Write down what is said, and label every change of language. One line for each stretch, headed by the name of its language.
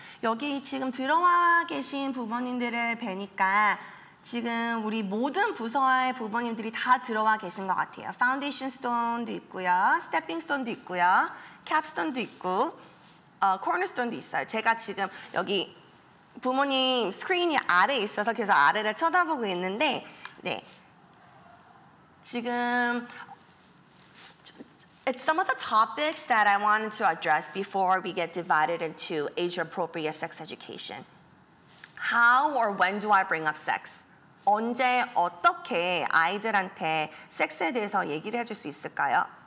Korean: 여기 지금 들어와 계신 부모님들을 뵈니까 지금 우리 모든 부서의 부모님들이 다 들어와 계신 것 같아요. Foundation stone도 있고요. Stepping stone도 있고요. Capstone도 있고. Cornerstone도 있어요. 제가 지금 여기 부모님 스크린이 아래에 있어서 계속 아래를 쳐다보고 있는데 네.
English: 지금 it's some of the topics that I wanted to address before we get divided into age-appropriate sex education. How or when do I bring up sex?
Korean: 언제 어떻게 아이들한테 섹스에 대해서 얘기를 해줄 수 있을까요?